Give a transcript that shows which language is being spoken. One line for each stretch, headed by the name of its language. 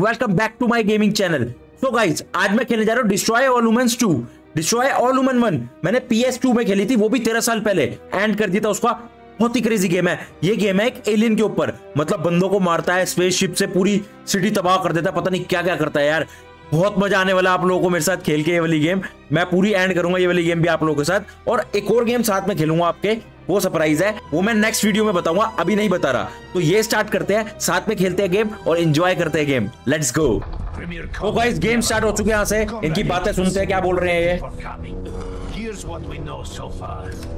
English: Welcome back to my gaming channel. So guys,
Hindi: आज मैं खेलने जा रहा हूँ Destroy All Humans 2, Destroy All Humans 1. मैंने PS2 में खेली थी, वो भी 13 साल पहले. End कर दिया था उसका. बहुत ही क्रेजी गेम है ये. गेम है एक एलियन के ऊपर, मतलब बंदों को मारता है, स्पेसशिप से पूरी सिटी तबाह कर देता है, पता नहीं क्या क्या करता है यार. बहुत मजा आने वाला आप लोगों को मेरे साथ खेल के ये वाली गेम. मैं पूरी एंड करूंगा ये वाली गेम भी आप लोगों के साथ, और एक और गेम साथ में खेलूंगा आपके, वो सरप्राइज है, वो मैं नेक्स्ट वीडियो में बताऊंगा, अभी नहीं बता रहा. तो ये स्टार्ट करते हैं, साथ में खेलते हैं गेम और एंजॉय करते हैं गेम. Let's go. तो गाइस गेम स्टार्ट हो चुके हैं यहां से, इनकी बातें सुनते हैं क्या बोल रहे हैं ये.
English: Here's what we know so far.